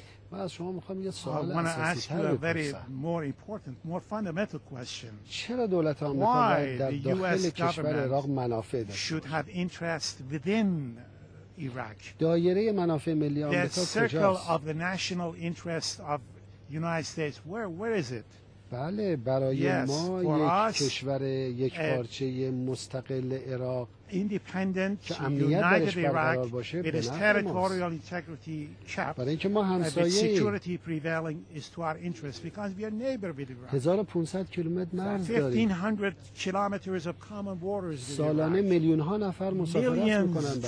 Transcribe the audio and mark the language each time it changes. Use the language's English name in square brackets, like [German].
[English] I want to ask you a very more important, more fundamental question. Why the U.S. government should have interest within Iraq? The circle of the national interest of the United States, where is it? [Persian] بله برای ما یک کشور یک پارچه مستقل عراق [English] independent, united Iraq with its territorial integrity kept, with security prevailing, is to our interest because we are neighbor with Iraq. 1,500 kilometers of common borders with Iraq. Millions